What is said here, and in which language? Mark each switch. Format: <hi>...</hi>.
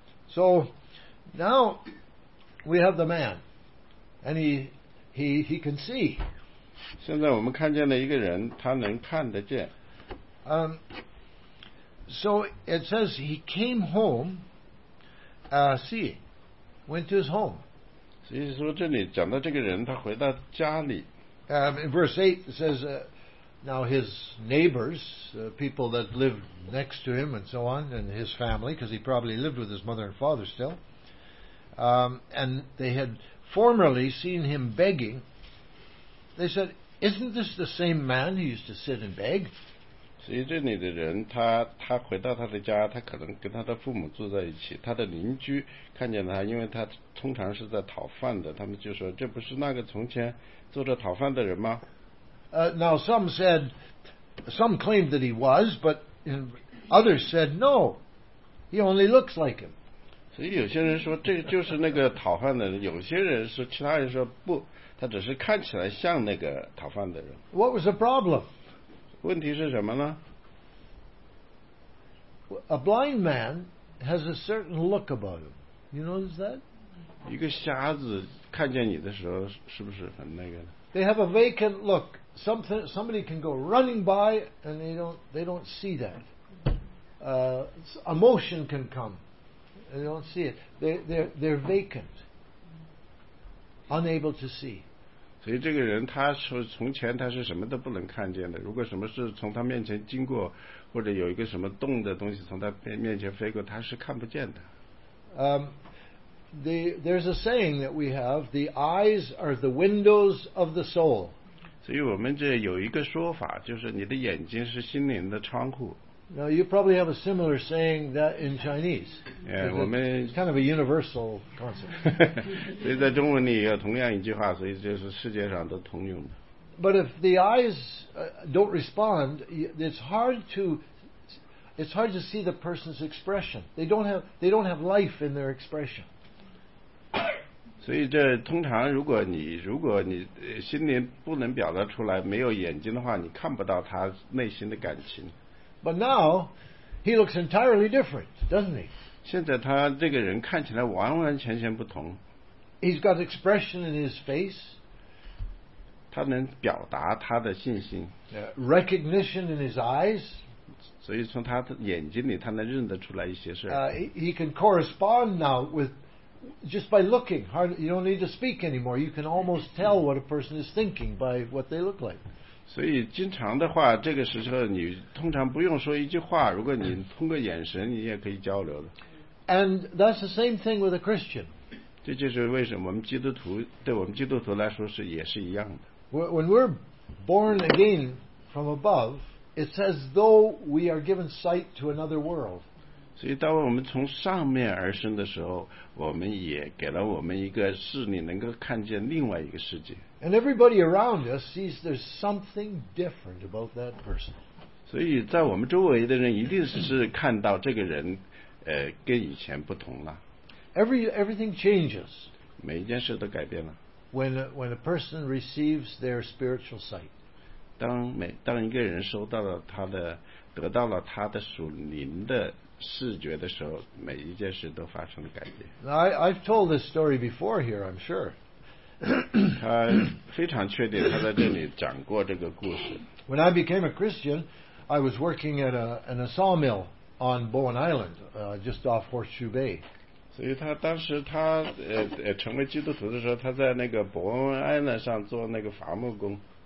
<en>So now we have the man and he can see.</en> <zh>现在我们看见了一个人，他能看得见。</zh> <en>So it says he came home went to his home.</en> <zh>所以说这里讲到这个人他回到家里。</zh> <en>In verse 8 it says now his neighbors, people that lived next to him and so on, and his family, because he probably lived with his mother and father still, and they had formerly seen him begging. They said, isn't this the same man who used to sit and beg?</en> <zh>所以这里的人他回到他的家，他可能跟他的父母住在一起，他的邻居看见他，因为他通常是在讨饭的，他们就说这不是那个从前坐着讨饭的人吗？</zh> <en>Now some said, some claimed that he was, but others said no, he only looks like him.</en> <zh>所以有些人说这就是那个讨饭的人，有些人说其他人说不，他只是看起来像那个讨饭的人。</zh> <en>What was the problem?</en> <zh>问题是什么呢？</zh> <en>A blind man has a certain look about him. You notice that?</en> <zh>一个瞎子看见你的时候，是不是很那个呢？</zh> <en>They have a vacant look. Somebody can go running by and they don't see that. Emotion can come. They don't see it. They're vacant. Unable to see.</en> <zh>所以这个人他说从前他是什么都不能看见的，如果什么事从他面前经过，或者有一个什么动的东西从他面前飞过，他是看不见的。</zh> <en>There's a saying that we have, the eyes are the windows of the soul.</en> <zh>所以我们这有一个说法，就是你的眼睛是心灵的窗户。</zh> <en>Now you probably have a similar saying that in Chinese. Yeah,</en> <zh>我们</zh> <en>it's kind of a universal concept.</en> <zh>所以在中文里有同样一句话，所以这是世界上都通用的。</zh> <en>But if the eyes don't respond, it's hard to see the person's expression. They don't have life in their expression.</en> <zh>所以这通常如果你心灵不能表达出来，没有眼睛的话，你看不到他内心的感情。</zh> <en>But now, he looks entirely different, doesn't he?</en> <zh>现在他这个人看起来完完全全不同。</zh> <en>He's got expression in his face.</en> <zh>他能表达他的信心。</zh> <en>Recognition in his eyes.</en> <zh>所以从他眼睛里他能认得出来一些事。</zh> <en>He can correspond now with, just by looking. You don't need to speak anymore. You can almost tell what a person is thinking by what they look like.</en> <zh>所以经常的话，这个时候你通常不用说一句话，如果你通过眼神，你也可以交流的。</zh> <en>And that's the same thing with a Christian.</en> <zh>这就是为什么我们基督徒，对我们基督徒来说是也是一样的。</zh> <en>When we're born again from above, it's as though we are given sight to another world.</en> <zh>所以当我们从上面而生的时候，我们也给了我们一个视力，能够看见另外一个世界。</zh> <en>And everybody around us sees there's something different about that person.</en> <zh>所以在我们周围的人一定是看到这个人，跟以前不同了。</zh> <en>Everything changes.</en> <zh>每一件事都改变了。</zh> <en>When a person receives their spiritual sight.</en> <zh>当一个人收到了他的得到了他的属灵的视觉的时候，每一件事都发生了改变。</zh> <en>I've told this story before here, I'm sure.</en> <zh>他非常确定他在这里讲过这个故事。</zh> <en>When I became a Christian, I was working at a sawmill on Bowen Island, just off Horseshoe Bay.</en> <zh>所以他当时他成为基督徒的时候，他在那个伯恩艾伦上做那个伐木工。</zh>